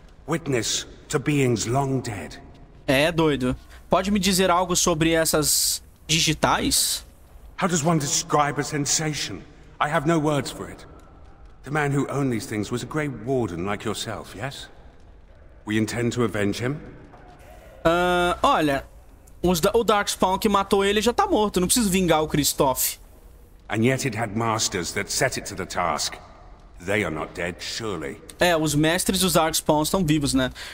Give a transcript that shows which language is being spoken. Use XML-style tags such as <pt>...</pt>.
<en>Witness to beings long dead.</en> <pt>É, doido. Pode me dizer algo sobre essas digitais?</pt> <en>How does one describe a sensation? I have no words for it. The man who owned these things was a great warden like yourself, yes? We intend to avenge him?</en> <pt>Olha... O Darkspawn que matou ele já tá morto. Não preciso vingar o Christoph.</pt> <en>And yet it had masters that set it to the task. They are not dead, surely.</en> <pt>É, os mestres dos Darkspawns estão vivos, né?</pt>